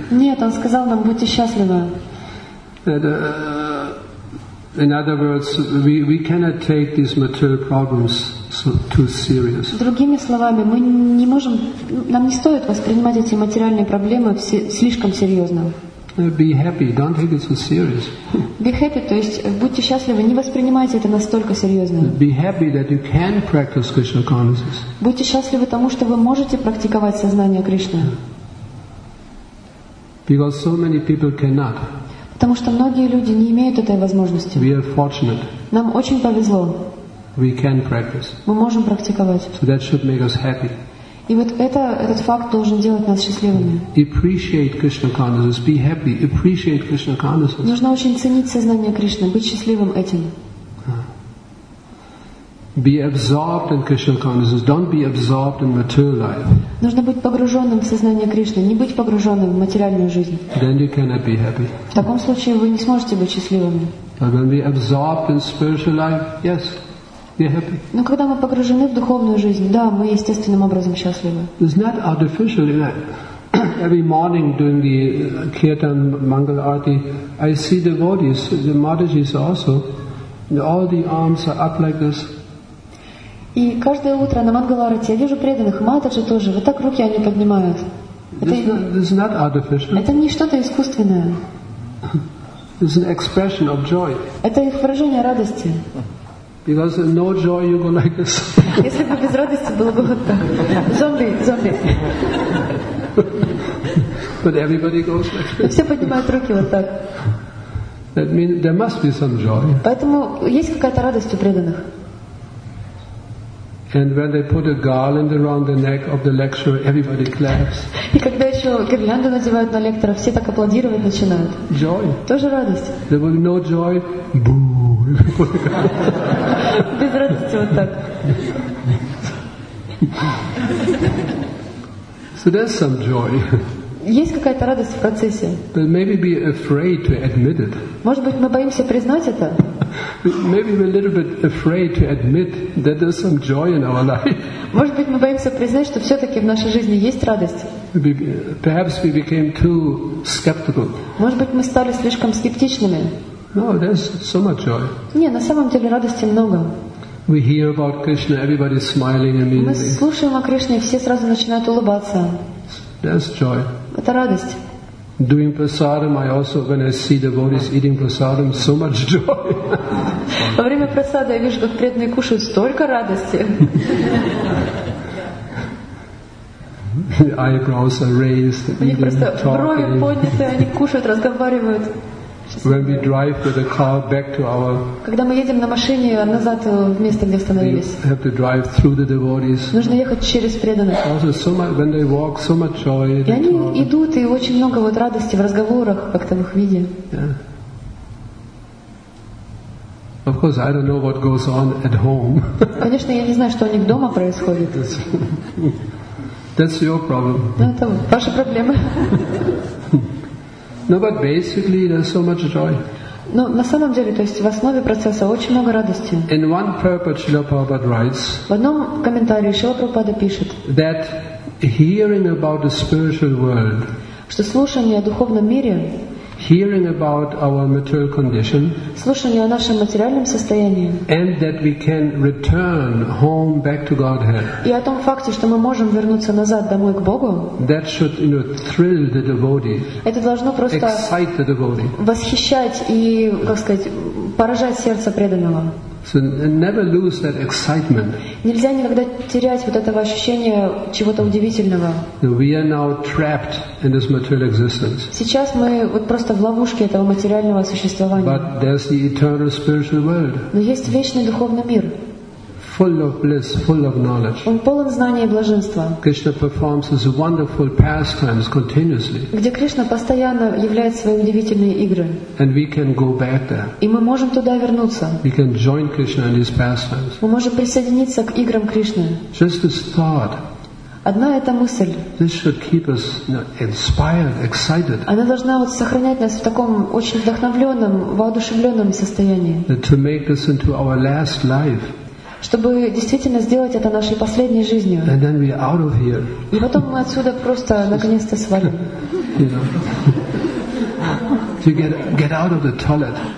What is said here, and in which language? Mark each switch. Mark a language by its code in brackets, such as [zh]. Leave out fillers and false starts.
[ru] Нет, он сказал нам, будьте счастливы. [en] That, in other words, we cannot take these material problems too serious. [ru] Другими словами, мы не можем, нам не стоит воспринимать эти материальные проблемы слишком серьезно. [en] Be happy. Don't take it so serious. Be happy. [ru] То есть будьте счастливы. Не воспринимайте это настолько серьезно. [en] Be happy that you can practice Krishna consciousness. [ru] Будьте счастливы тому, что вы можете практиковать сознание Кришны. [en] Because so many people cannot. [ru] Потому что многие люди не имеют этой возможности. [en] We are fortunate. [ru] Нам очень повезло. [en] We can practice. [ru] Мы можем практиковать. [en] So that should make us happy. [ru] И вот этот факт должен делать нас счастливыми. [en] Appreciate Krishna consciousness. Be happy. Appreciate Krishna consciousness. [ru] Нужно очень ценить сознание Кришны, быть счастливым этим. [en] Be absorbed in Krishna consciousness. Don't be absorbed in material life. [ru] Нужно быть погруженным в сознание Кришны, не быть погруженным в материальную жизнь. [en] Then you cannot be happy. [ru] В таком случае вы не сможете быть счастливыми. [en] But when we absorbed in spiritual life, yes, we're happy. [ru] Но когда мы погружены в духовную жизнь, да, мы естественным образом счастливы. [en] It's not artificial, you know. every morning during the Kirtan Mangal Arati, I see devotees, the Matajis also, and all the arms are up like this. [ru] И каждое утро на Мангаларате я вижу преданных, Матаджи тоже, вот так руки они поднимают. Это не что-то искусственное. [en] It's an expression of joy. [ru] Это их выражение радости. Because no joy you go like this. Если бы без радости было бы вот так. Зомби, зомби. [en] But everybody goes like this. [ru] Все поднимают руки вот так. [en] That means there must be some joy. [ru] Поэтому есть какая-то радость у преданных. [en] And when they put a garland around the neck of the lecturer, everybody claps. [ru] И когда еще гирлянду надевают на лектора, все так аплодировать начинают. [en] Joy. [ru] Тоже радость. [en] There will be no joy. Boo. [ru] Без радости вот так. [en] So there's some joy. [ru] Есть какая-то радость в процессе. [en] But maybe be afraid to admit it. [ru] Может быть, мы боимся признать это? [en] Maybe we're a little bit afraid to admit that there's some joy in our life. [ru] Может быть, мы боимся признать, что все-таки в нашей жизни есть радость? [en] Perhaps we became too skeptical. [ru] Может быть, мы стали слишком скептичными? [en] No, there's so much joy. [ru] Не, на самом деле радости много. [en] We hear about Krishna, everybody's smiling immediately. [ru] Мы слушаем о Кришне, и все сразу начинают улыбаться. [en] That's joy. [ru] Это радость. [en] Doing prasadam, I also, when I see devotees eating prasadam, so much joy. [ru] Во время прасада я вижу, как преданные кушают, столько радости. [en] The eyebrows are raised, eating, talking. [ru] Брови подняты, они кушают, разговаривают. [en] When we drive with a car back to our, [ru] когда мы едем на машине назад в место, где остановились, [en] we have to drive through the devotees. [ru] Нужно ехать через преданных. [en] Also, so much when they walk, so much joy. [ru] И они идут, и очень много вот радости в разговорах, как-то в их виде. [en] Yeah. Of course, I don't know what goes on at home. [ru] Конечно, я не знаю, что у них дома происходит. [en] That's your problem. [ru] Ну, это ваша проблема. [en] No, but basically there's so much joy. [ru] Но на самом деле, то есть в основе процесса очень много радости. [en] In one purport Srila Prabhupada writes. [ru] В одном комментарии Шрила Прабхупада пишет. [en] That hearing about the spiritual world. [ru] Что слушание о духовном мире. [en] Hearing about our material condition. [ru] Слушание о нашем материальном состоянии. [en] And that we can return home back to Godhead. [ru] И о том факте, что мы можем вернуться назад домой к Богу. [en] That should, you know, thrill the devotee. [ru] Это должно просто [en] excite the devotee. [ru] Восхищать и, как сказать, поражать сердце преданного. [en] So never lose that excitement. [ru] Нельзя никогда терять вот этого ощущения чего-то удивительного. [en] We are now trapped in this material existence. [ru] Сейчас мы вот просто в ловушке этого материального существования. [en] But there's the eternal spiritual world. [ru] Но есть вечный духовный мир. [en] Full of bliss, full of knowledge. [ru] Он полон знания и блаженства. [en] Krishna performs his wonderful pastimes continuously. [ru] Где Кришна постоянно являет свои удивительные игры. [en] And we can go back there. [ru] И мы можем туда вернуться. [en] We can join Krishna in his pastimes. [ru] Мы можем присоединиться к играм Кришны. [en] Just this thought. [ru] Одна эта мысль. [en] This should keep us, you know, inspired, excited. [ru] Она должна вот сохранять нас в таком очень вдохновленном, воодушевленном состоянии. [en] To make this into our last life. [ru] Чтобы действительно сделать это нашей последней жизнью. [en] And then we're out of here. [ru] И потом мы отсюда просто наконец-то свалим. [en] You know. get out of the toilet.